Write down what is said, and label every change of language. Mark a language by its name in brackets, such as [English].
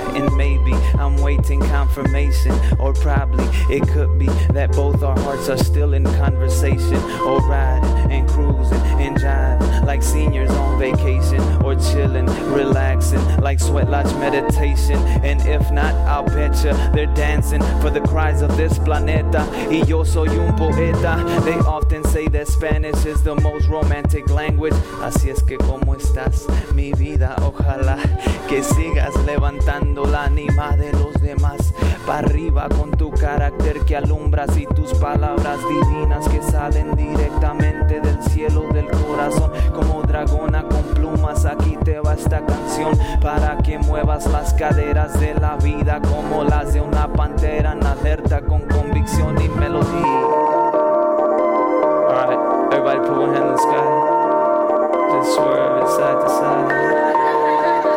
[English] And maybe I'm waiting confirmation, or probably it could be that both our hearts are still in conversation, or riding and cruising and driving like seniors on vacation, or chilling, relaxing like sweat lodge meditation. And if not, I'll betcha they're dancing for the cries of this planeta. [Spanish] Y yo soy un poeta. [English] They often say that Spanish is the most romantic romantic language. [Spanish] Así es que cómo estás, mi vida, ojalá que sigas levantando la anima de los demás. Pa' arriba con tu carácter que alumbras y tus palabras divinas que salen directamente del cielo del corazón. Como dragona con plumas, aquí te va esta canción para que muevas las caderas de la vida como las de una pantera en alerta con convicción y melodía. [English] All right, everybody put one hand in the sky. Just swerve it side to side.